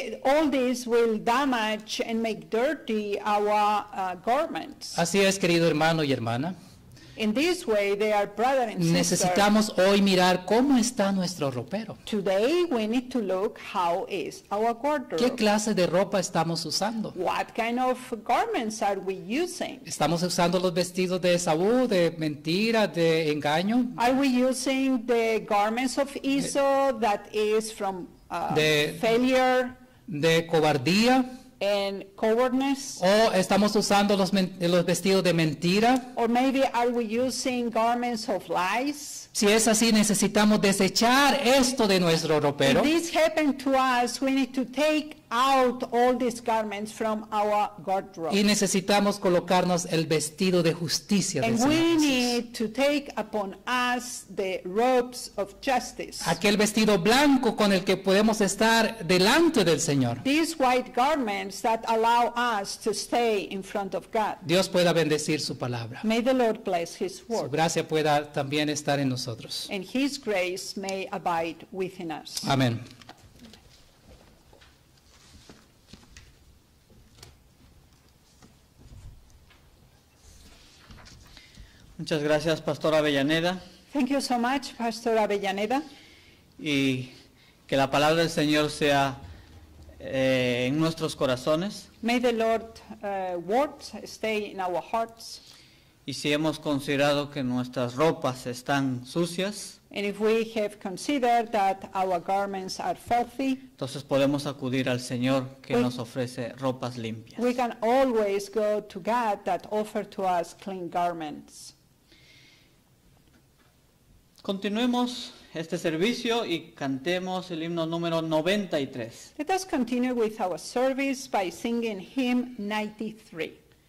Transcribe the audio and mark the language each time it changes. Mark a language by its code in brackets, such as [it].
[en] All these will damage and make dirty our garments. [es] Así es, querido hermano y hermana. [en] In this way, they are brother and sister. [es] Necesitamos hoy mirar cómo está nuestro ropero. [en] Today we need to look how is our wardrobe. [es] ¿Qué clase de ropa estamos usando? [en] What kind of garments are we using? [es] ¿Estamos usando los vestidos de Esaú, de mentira, de engaño? [en] Are we using the garments of Esau that is from failure? [es] De cobardía. [en] And cowardness. [es] O estamos usando los vestidos de mentira. [en] Or maybe are we using garments of lies? [es] Si es así, necesitamos desechar esto de nuestro ropero. [en] If this happened to us, we need to take out all these garments from our wardrobe. [es] Y necesitamos colocarnos el vestido de justicia. [en] And de we Jesus. Need to take upon us the robes of justice. [es] Aquel vestido blanco con el que podemos estar delante del Señor. [en] These white garments that allow us to stay in front of God. [es] Dios pueda bendecir su palabra. [en] May the Lord bless His word. [es] Su gracia pueda también estar en nosotros. [en] And His grace may abide within us. [es] Amén. Muchas gracias, Pastor Avellaneda. [en] Thank you so much, Pastor Avellaneda. [es] Y que la palabra del Señor sea en nuestros corazones. [en] May the Lord words stay in our hearts. [es] Y si hemos considerado que nuestras ropas están sucias, [en] and if we have considered that our garments are filthy, [es] entonces podemos acudir al Señor que nos ofrece ropas limpias. [en] We can always go to God that offers to us clean garments. [es] Continuemos este servicio y cantemos el himno número 93. [en] Let us continue with our service by singing hymn 93.